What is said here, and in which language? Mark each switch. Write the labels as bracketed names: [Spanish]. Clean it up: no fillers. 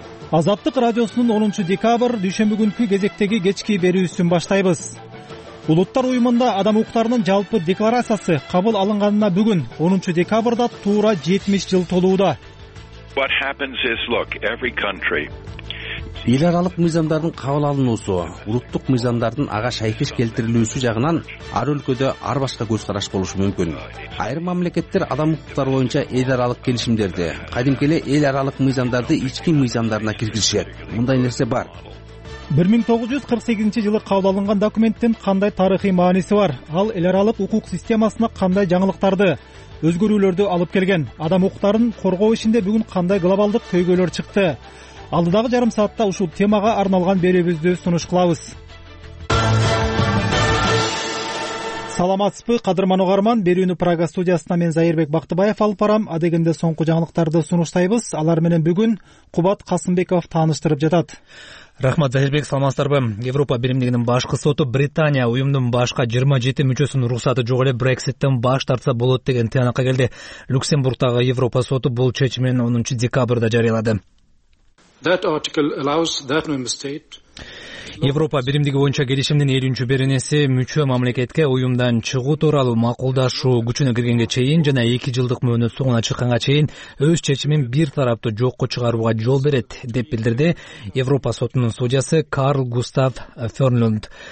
[Kyrgyz] Азаттык радиосунун 10-декабрь дүйшөмбү күнкү кезектеги кечки берүүсүн баштайбыз. Улуттар уюмунда адам укуктарынын жалпы декларациясы кабыл алынганына бүгүн 10-декабрда туура 70 жыл толууда. [English] What happens is, look, every country. [Kyrgyz] Эл аралык мыйзамдардын кабыл алынуусу, улуттук мыйзамдардын ага шайкеш келтирилүүсү жагынан ар өлкөдө ар башка көз караш болушу мүмкүн. Айрым мамлекеттер адам укуктары боюнча эл аралык келишимдерди, кадимки эле эл аралык мыйзамдарды ички мыйзамдарына киргизишет. Мындай нерсе бар. 1948-жылы кабыл алынган документтин кандай тарыхый мааниси бар? Ал эл аралык укук системасына кандай жаңылыктарды, өзгөрүүлөрдү алып келген? Адам укуктарын коргоо ишинде бүгүн кандай глобалдык көйгөйлөр чыкты? Алдыдагы жарым саатта ушул темага арналган берүүбүздү сунуш кылабыз. Саламатсызбы, кадырман угарман, берүүнү Прага студиясына мен Зайырбек Бактыбаев алып барам. Адегенде соңку жаңылыктарды сунуштайбыз. Алар менен бүгүн Кубат Касымбеков тааныштырып жатат. Рахмат Зайырбек, саламатсыздарбы. Европа биримдигинин башкы соту Британия уюмдун башка 27 мүчөсүнүн уруксаты жок эле Брекситтен баш тартса болот деген тыянакка келди. Люксембургтагы Европа соту бул чечимин 10-декабрда жарыялады. [English] That article allows that member state. [Kyrgyz] Европа биримдиги боюнча келишимдин 50-ж беренеси мүчө мамлекетке уюмдан чыгуу тууралуу макулдашуу күчүнө киргенге чейин жана 2 жылдык мөөнөт соңуна чыкканга чейин өз чечимин бир тараптуу жокко чыгарууга жол берет деп билдирди Европа сотунун судьясы Карл Густав Фернлунд.